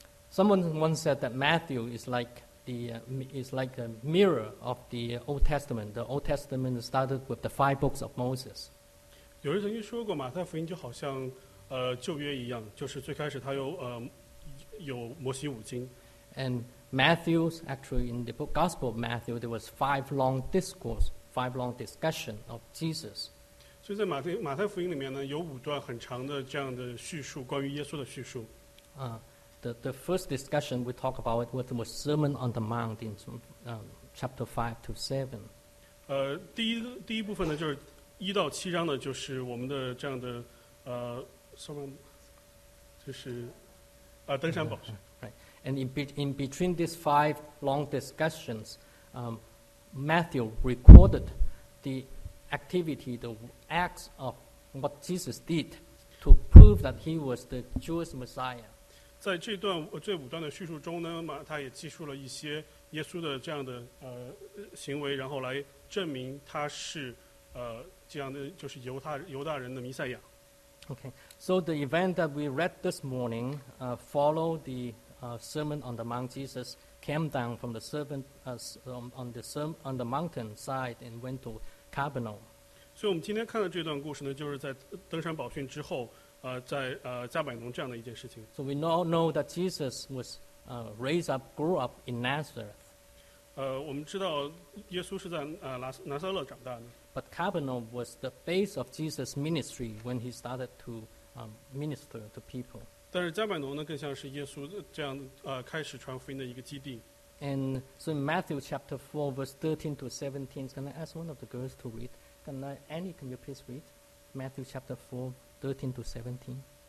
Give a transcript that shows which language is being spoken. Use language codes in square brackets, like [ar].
[en] Someone once said that Matthew is like a mirror of the Old Testament. The Old Testament started with the five books of Moses. [zh] 有人曾经说过，马太福音就好像旧约一样，就是最开始它有摩西五经。 [en] And Matthew's actually in the book, Gospel of Matthew, there was five long discussion of Jesus. [zh] 所以在马太福音里面呢，有五段很长的这样的叙述，关于耶稣的叙述。 [en] The first discussion we talk about it was the Sermon on the Mount in chapter 5 to 7. [zh] 第一部分呢，就是一到七章呢，就是我们的这样的sermon， 就是登山宝训。 [en] And in between these five long discussions, Matthew recorded the activity, the acts of what Jesus did to prove that he was the Jewish Messiah. [zh] 在这段这五段的叙述中呢，马太也记述了一些耶稣的这样的行为，然后来证明他是这样的就是犹大人的弥赛亚。 [en] Okay, so the event that we read this morning followed the Sermon on the Mount. Jesus came down from the servant on the mountain side and went to Capernaum. [zh] So, 我们今天看的这段故事呢，就是在登山宝训之后，在加百农这样的一件事情。 [en] So we all know that Jesus was raised up, grew up in Nazareth. [zh] 我们知道耶稣是在拿撒勒长大的。 [en] But Capernaum was the base of Jesus' ministry when he started to minister to people. [zh] 但是加百农呢，更像是耶稣这样开始传福音的一个基地。 [en] And so in Matthew chapter 4 verse 13 to 17, can I ask one of the girls to read? Annie, can you please read Matthew chapter 4, 13 to 17?